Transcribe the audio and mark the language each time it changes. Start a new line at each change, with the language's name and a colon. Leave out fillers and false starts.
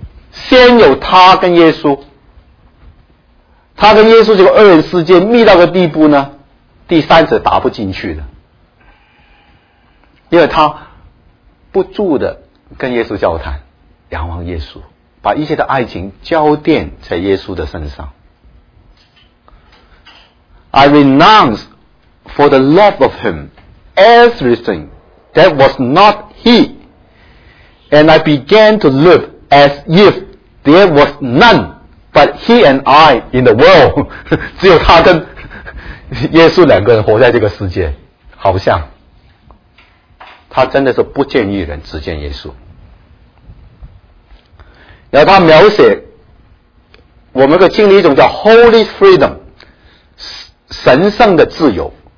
Chinese: 先有他跟耶稣，他跟耶稣这个二人世界密到个地步呢？第三者打不进去的，因为他不住的跟耶稣交谈，仰望耶稣，把一切的爱情交奠在耶稣的身上。
English: I renounce for the love of him everything that was not he, and I began to live as if there was none but he and I in the world.
Chinese: 只有他跟耶稣两个人活在这个世界，好像他真的是不见一人，只见耶稣。然后他描写我们可以经历一种叫 Holy Freedom， 神圣的自由。